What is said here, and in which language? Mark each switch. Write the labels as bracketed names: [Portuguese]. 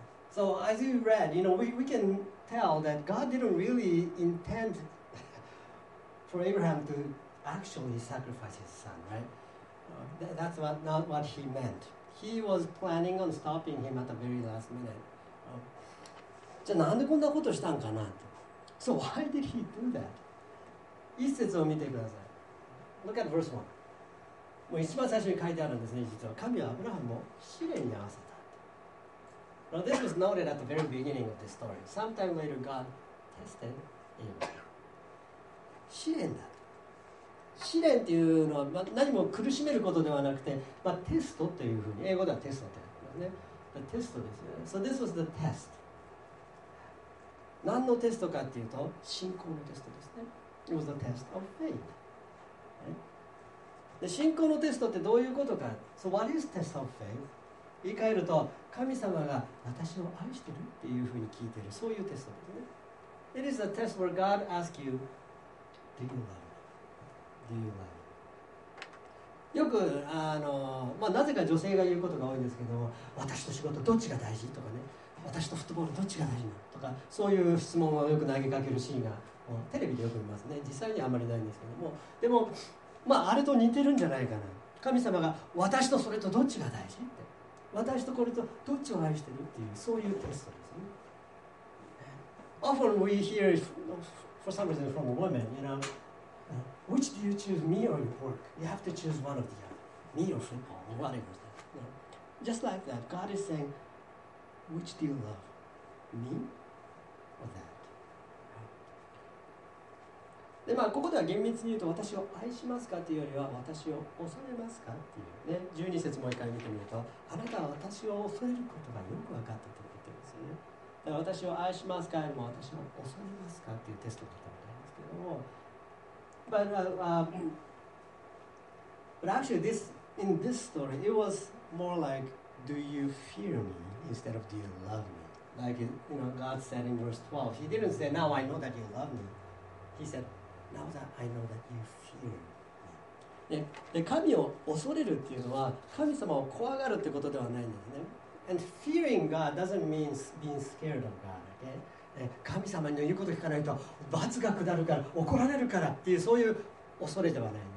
[English] So as you read, you know, we can tell that God didn't really intend for Abraham to actually sacrifice his son, right? That's what, not what he meant. He was planning on stopping him at the very last minute. [Japanese] じゃあなんでこんなことしたんかなと。 [English] So why did he do that? [Japanese] 一節を見てください。 [English] Look at verse 1. [Japanese] もう一番最初に書いてあるんですね、実は。神はアブラハムを試練に合わせた。 [English] Now this was noted at the very beginning of the story. Sometime later, God tested him. [Japanese] 試練だ。試練というのは何も苦しめることではなくて、まあ、テストというふうに英語ではテストというのね、テストですよね。 [English] So this was the test。 [Japanese] 何のテストかというと信仰のテストですね。 [English] It was the test of faith、right? で信仰のテストってどういうことか。 So what is test of faith? [Japanese] 言い換えると神様が私を愛してるっていうふうに聞いてる、そういうテストですね。 [English] It is the test where God asks you Do you love? Do you love? [Japanese] よくあの、まあ、なぜか女性が言うことが多いんですけども、私と仕事どっちが大事とかね、私とフットボールどっちが大事なとか、そういう質問をよく投げかけるシーンがもうテレビでよく見ますね。実際にはあまりないんですけども、でも、まあ、あれと似てるんじゃないかな。神様が私とそれとどっちが大事って、私とこれとどっちを愛してるっていう、そういうテストですね。 [English] Often we hear for some reason from women, you knowWhich do you choose, me or work? You have to choose one of the other. Me or football, or whatever. You know? Just like that, God is saying, which do you love? Me or that? [Japanese] で、まあ、ここでは厳密に言うと、私を愛しますかというよりは、私を恐れますかという、ね。 12節もう一回見てみると、あなたは私を恐れることがよく分かったと言ってますよね。だから私を愛しますかよりも、私を恐れますかというテストだったみたいですけども、 [English] But actually, this, in this story, it was more like, do you fear me instead of do you love me? Like, you know, God said in verse 12, he didn't say, now I know that you love me. He said, now that I know that you fear me. [Japanese] で、神を恐れるっていうのは、神様を怖がるってことではないんですね。 [English] And fearing God doesn't mean being scared of God, okay? [Japanese] 神様の言うことを聞かないと罰が下るから怒られるからっていう、そういう恐れではない。